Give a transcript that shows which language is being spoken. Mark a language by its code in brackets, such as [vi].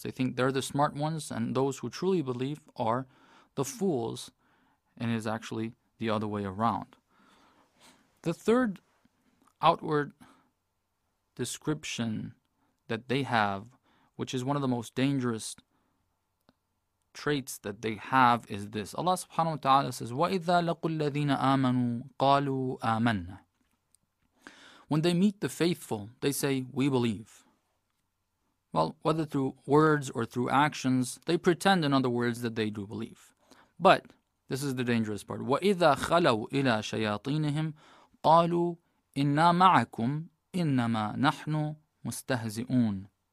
[en] They think they're the smart ones, and those who truly believe are the fools, and it is actually the other way around. The third outward description that they have, which is one of the most dangerous traits that they have, is this. Allah subhanahu wa ta'ala says, [ar] وَإِذَا لَقُوا الَّذِينَ آمَنُوا قَالُوا آمَنَّا. [en] When they meet the faithful, they say, we believe. Well, whether through words or through actions, they pretend, in other words, that they do believe. But this is the dangerous part. [ar] وَإِذَا خَلَوْا إِلَى شَيَاطِينِهِمْ قَالُوا إِنَّا مَعَكُمْ إِنَّمَا نَحْنُ مُسْتَهْزِئُونَ.